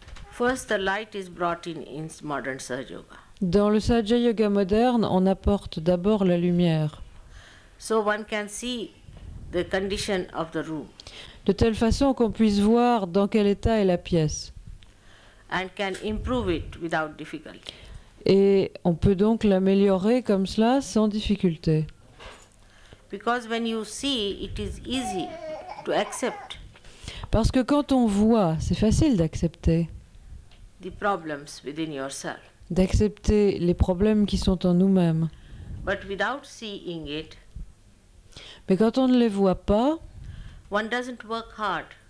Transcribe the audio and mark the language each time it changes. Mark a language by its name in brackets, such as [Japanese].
[English] First the light is brought in modern Sahaja Yoga. [French] Dans le Sahaja Yoga moderne, on apporte d'abord la lumière. [English] So one can see the condition of the room. [French] De telle façon qu'on puisse voir dans quel état est la pièce. [English] And can improve it without difficulty. [French] Et on peut donc l'améliorer comme cela sans difficulté. [English] Because when you see, it is easy to accept. [French] Parce que quand on voit, c'est facile d'accepter. [English] The problems within yourself. [French] D'accepter les problèmes qui sont en nous-mêmes. [English] But without seeing it, [French] mais quand on ne les voit pas, [English] one doesn't work hard.